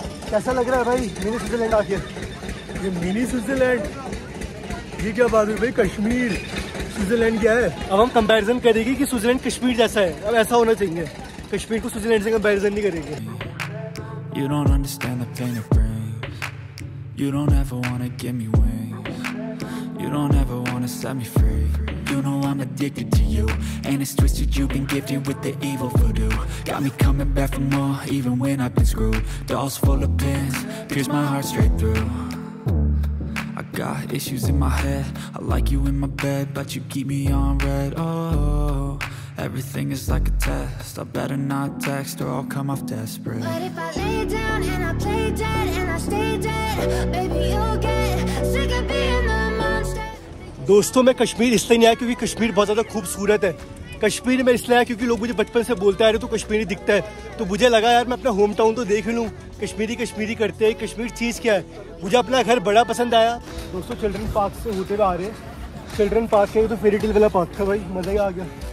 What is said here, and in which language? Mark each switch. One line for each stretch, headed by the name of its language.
Hindi: कैसा लग रहा है भाई मिनी स्विट्जरलैंड आके? ये मिनी स्विट्जरलैंड, ये क्या बात है भाई, कश्मीर स्विट्जरलैंड क्या है? अब हम कंपैरिजन करेंगे कि स्विट्जरलैंड कश्मीर जैसा है, अब ऐसा होना चाहिए, कश्मीर को स्विट्जरलैंड से कंपैरिजन नहीं करेंगे।
English: You don't understand the pain of brains. You don't ever wanna give me wings. You don't ever wanna set me free. You know I'm addicted to you, and it's twisted. You've been gifted with the evil voodoo. Got me coming back for more, even when I've been screwed. Dolls full of pins, pierce my heart straight through. I got issues in my head. I like you in my bed, but you keep me on red. Oh, everything is like a test. I better not text, or I'll come off desperate. But if I lay down and I play dead and I stay dead, baby, you'll get sick of being the.
Hindi: दोस्तों मैं कश्मीर इसलिए नहीं आया क्योंकि कश्मीर बहुत ज़्यादा खूबसूरत है। कश्मीर मैं इसलिए आया क्योंकि लोग मुझे बचपन से बोलते आ रहे तो कश्मीरी दिखता है, तो मुझे लगा यार मैं अपना होम टाउन तो देख ही लूँ, कश्मीरी कश्मीरी करते हैं, कश्मीर चीज़ क्या है। मुझे अपना घर बड़ा पसंद आया। दोस्तों चिल्ड्रन पार्क से होते हुए आ रहे हैं, चिल्ड्रन पार्क है तो फेरी टेल वाला पार्क था भाई, मज़ा ही आ गया।